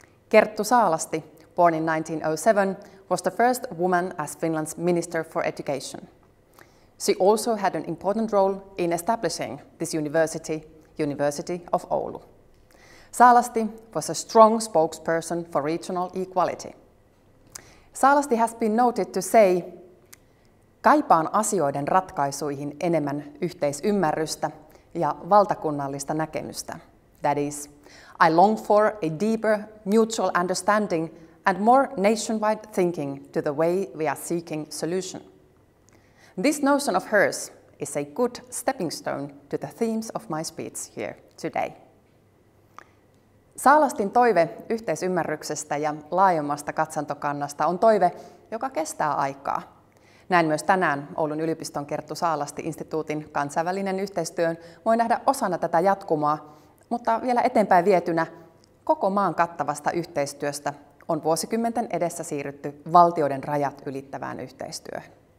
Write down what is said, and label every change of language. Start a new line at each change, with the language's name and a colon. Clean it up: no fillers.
English: Kerttu Saalasti, born in 1907, was the first woman as Finland's Minister for Education. She also had an important role in establishing this university, University of Oulu. Saalasti was a strong spokesperson for regional equality. Saalasti has been noted to say,
Finnish: "Kaipaan asioiden ratkaisuihin enemmän yhteisymmärrystä ja valtakunnallista näkemystä."
English: That is, "I long for a deeper mutual understanding and more nationwide thinking to the way we are seeking solution." This notion of hers is a good stepping stone to the themes of my speech here today.
Finnish: Saalastin toive yhteisymmärryksestä ja laajemmasta katsantokannasta on toive, joka kestää aikaa. Näin myös tänään Oulun yliopiston Kerttu Saalasti-instituutin kansainvälinen yhteistyön voi nähdä osana tätä jatkumaa, mutta vielä eteenpäin vietynä koko maan kattavasta yhteistyöstä on vuosikymmenten edessä siirrytty valtioiden rajat ylittävään yhteistyöhön.